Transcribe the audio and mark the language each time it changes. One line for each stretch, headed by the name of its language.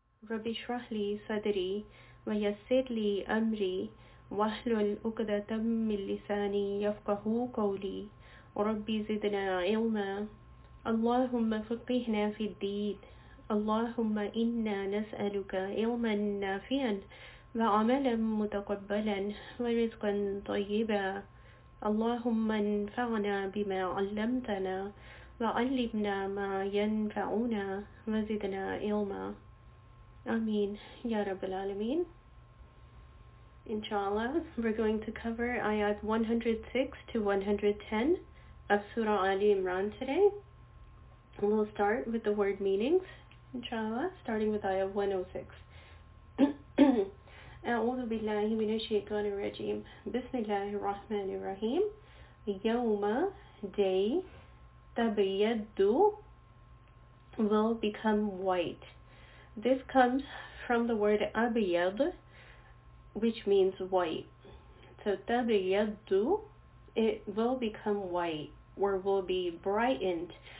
Arabic: ربي اشرح لي صدري ويسر لي أمري واحلل عقدة من لساني يفقه قولي ربي زدنا علما اللهم فقهنا في الدين اللهم إنا نسألك علما نافعا وعملا متقبلا ورزقا طيبا اللهم انفعنا بما علمتنا وعلمنا ما ينفعنا وزدنا علما آمين يا رب العالمين.
English: Inshallah, we're going to cover ayat 106 to 110 of Surah Ali Imran today. We'll start with the word meanings, inshallah, starting with ayat 106.
Arabic: أعوذ بالله من الشيطان الرجيم. بسم الله الرحمن الرحيم.
English: يوم day تبيض will become white. This comes from the word أبيض, which means white. So tabayyadu, it will become white or will be brightened.